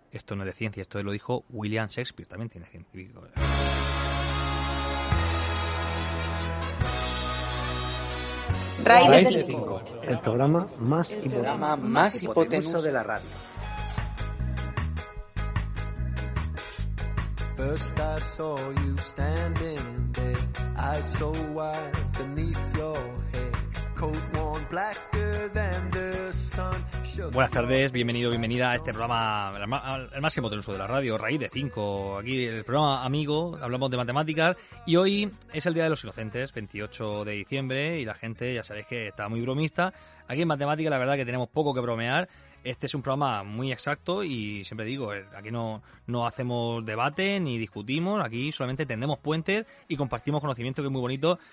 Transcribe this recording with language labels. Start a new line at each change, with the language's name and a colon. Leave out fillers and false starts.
Spanish: Esto no es de ciencia, esto lo dijo William Shakespeare, también tiene científico. Raíz 5. El programa más hipotenuso de la radio.
English: First I saw you standing there, eyes so wide beneath your head, coat worn blacker than the sun.
Spanish: Buenas tardes, bienvenido, bienvenida a este programa, el máximo del uso de la radio, Raíz de 5. Aquí el programa amigo, hablamos de matemáticas y hoy es el Día de los Inocentes, 28 de diciembre, y la gente ya sabéis que está muy bromista. Aquí en matemáticas la verdad que tenemos poco que bromear. Este es un programa muy exacto y siempre digo, aquí no hacemos debate ni discutimos, aquí solamente tendemos puentes y compartimos conocimiento, que es muy bonito.